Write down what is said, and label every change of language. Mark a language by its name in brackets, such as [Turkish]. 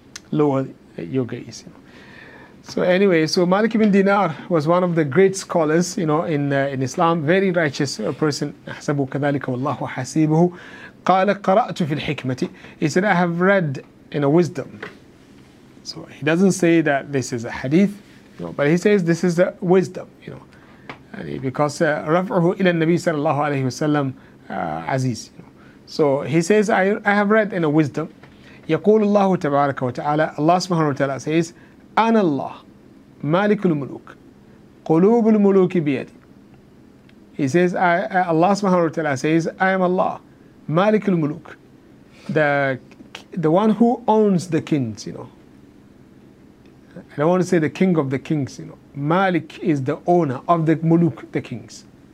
[English] Lower your gaze, you know. So anyway, so Malik ibn Dinar was one of the great scholars, you know, in Islam. Very righteous person. [Arabic] أَحْسَبُ كَذَلِكَ وَاللَّهُ حَسِيبُهُ. قَالَ قَرَأْتُ فِي الْحِكْمَةِ. [English] He said, I have read in a wisdom. So he doesn't say that this is a hadith, you know, but he says this is a wisdom, you know. And because [Arabic] رَفْعُهُ إِلَى النَّبِي صَلَى اللَّهُ عَلَيْهِ وَسَلَّمُ عَزِيز. [English] So he says, I have read in a wisdom. [Arabic] يَقُولُ اللَّهُ تَبَارَكَ وَتَعَالَى. [English] Allah subhanahu wa ta'ala says, [Arabic] أَنَ اللَّهُ مَالِكُ الْمُلُوكِ قُلُوبُ الْمُلُوكِ بِيَدِ. [English] He says, Allah subhanahu wa ta'ala says, I am Allah. Malik al-Muluk, the one who owns the kings, you know. I don't want to say the king of the kings, you know. Malik is the owner of the Muluk, the kings.